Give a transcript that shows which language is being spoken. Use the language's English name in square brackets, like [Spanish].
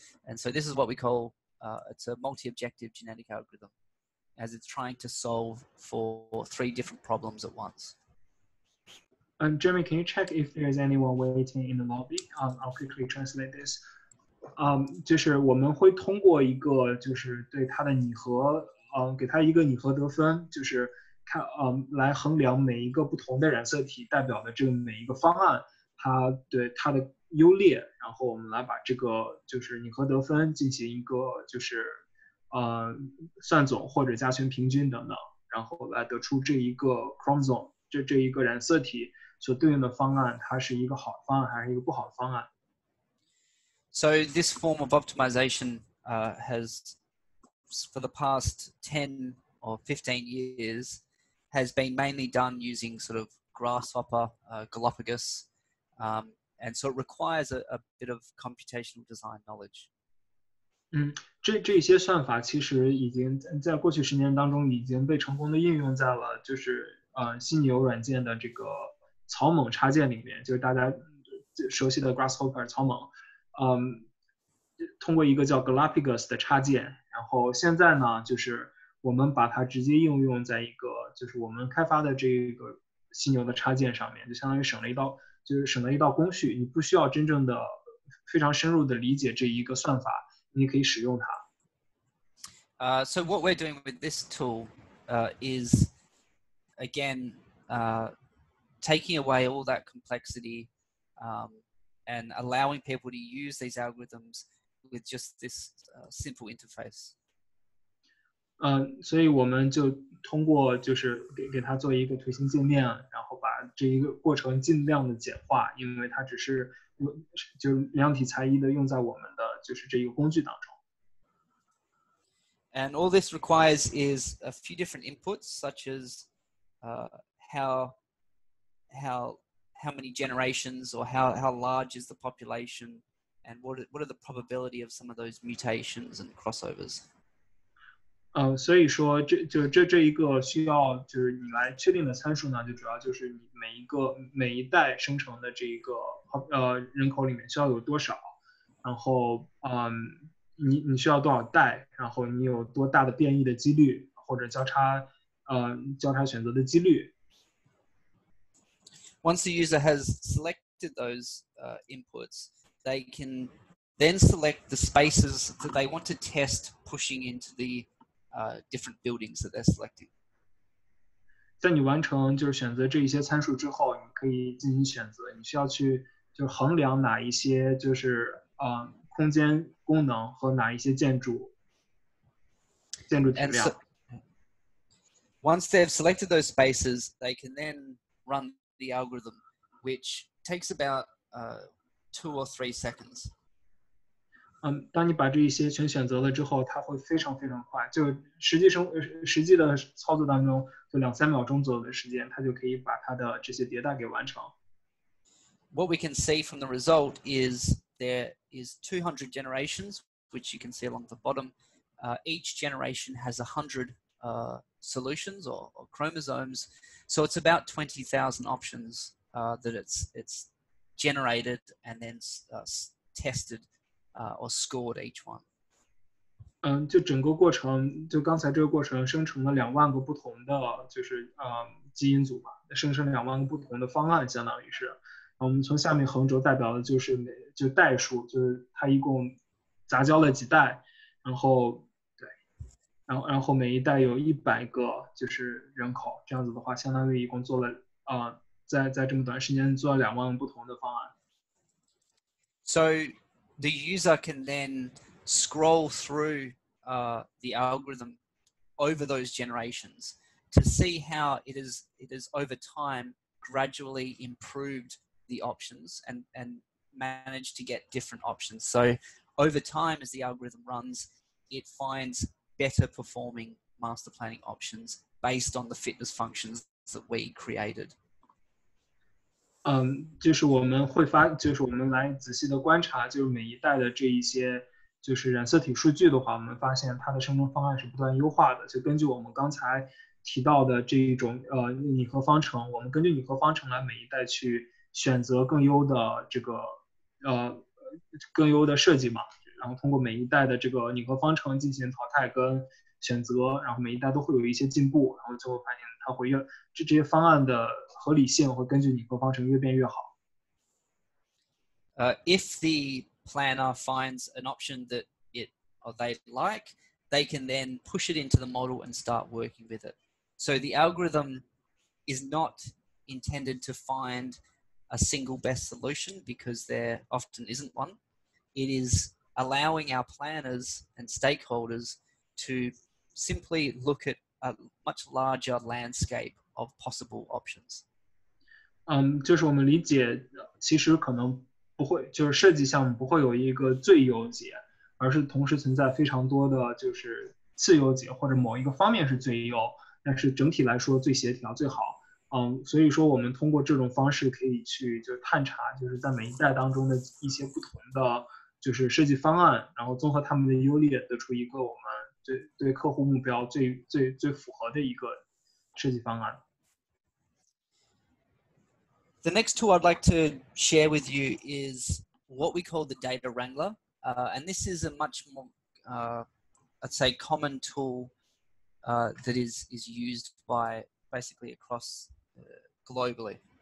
[English] And so this is what we call, it's a multi-objective genetic algorithm as it's trying to solve for three different problems at once. Jeremy, can you check if there's anyone waiting in the lobby? I'll quickly translate this. [Chinese] 就是我们会通过一个就是对它的拟合给它一个拟合得分，就是看来衡量每一个不同的染色体代表的这个每一个方案，它对它的优劣，然后我们来把这个就是拟合得分进行一个就是算总或者加权平均等等，然后来得出这一个 chromosome 这一个染色体所对应的方案，它是一个好的方案还是一个不好的方案。 [English] So this form of optimization has, for the past 10 or 15 years, has been mainly done using sort of grasshopper, Galapagos, and so it requires a bit of computational design knowledge. [Chinese] 这些算法其实已经在过去十年当中已经被成功的应用在了就是犀牛软件的这个草蜢插件里面，就是大家熟悉的 grasshopper 草蜢。通过一个叫 Galapagos 的插件，然后现在呢就是我们把它直接应用在一个就是我们开发的这个犀牛的插件上面，就相当于省了一道就是省了一道工序，你不需要真正的非常深入的理解这一个算法，你可以使用它。 [English] So what we're doing with this tool is again taking away all that complexity and allowing people to use these algorithms with just this simple interface. [Chinese] 所以我们就通过就是给它做一个推行界面，然后把这一个过程尽量的简化，因为它只是就量体裁衣的用在我们的就是这一个工具当中。 [English] And all this requires is a few different inputs, such as how many generations or how large is the population and what are the probability of some of those mutations and crossovers. [Chinese] 所以说这一个需要就是你来确定的参数呢，就主要就是你每一代生成的这一个人口里面需要有多少，然后你需要多少代，然后你有多大的变异的几率或者交叉选择的几率。 [English] Once the user has selected those inputs, they can then select the spaces that they want to test pushing into the different buildings that they're selecting. [Chinese] 在你完成就是选择这一些参数之后，你可以进行选择，你需要去就衡量哪一些就是空间功能和哪一些建筑体量。 [English] Once they've selected those spaces, they can then run the algorithm, which takes about 2 or 3 seconds. [Chinese] 当你把这一些全选择了之后，它会非常非常快，就实际的操作当中，就两三秒钟左右的时间，它就可以把它的这些迭代给完成。 [English] What we can see from the result is there is 200 generations, which you can see along the bottom. Each generation has 100 solutions or chromosomes, so it's about 20,000 options that it's generated and then tested or scored each one. [Chinese] 就整个过程，就刚才这个过程生成了两万个不同的就是基因组吧，生成两万个不同的方案，相当于是我们从下面横轴代表的就是就代数，就是它一共杂交了几代，然后。然后每一代有100个就是人口，这样子的话，相当于一共做了在这么短时间做了两万不同的方案。 [English] So the user can then scroll through the algorithm over those generations to see how it is over time gradually improved the options and managed to get different options. So over time, as the algorithm runs, it finds better performing master planning options based on the fitness functions that we created. [Chinese] 就是我们会发，就是我们来仔细的观察，就是每一代的这一些就是染色体数据的话，我们发现它的生成方案是不断优化的。就根据我们刚才提到的这一种拟合方程，我们根据拟合方程来每一代去选择更优的这个更优的设计嘛。然后通过每一代的这个拟合方程进行淘汰跟选择，然后每一代都会有一些进步，然后最后发现它会越这些方案的合理性会根据拟合方程越变越好。 [English] If the planner finds an option that they like, they can then push it into the model and start working with it. So the algorithm is not intended to find a single best solution because there often isn't one. It is allowing our planners and stakeholders to simply look at a much larger landscape of possible options. [Chinese] 就是我们理解，其实可能不会，就是设计项目不会有一个最优解，而是同时存在非常多的就是次优解，或者某一个方面是最优，但是整体来说最协调最好。所以说我们通过这种方式可以去探查，就是在每一代当中的一些不同的就是设计方案，然后综合他们的优劣，得出一个我们对客户目标最符合的一个设计方案。 [English] The next tool I'd like to share with you is what we call the Data Wrangler. And this is a much more, I'd say, common tool that is used by basically across globally.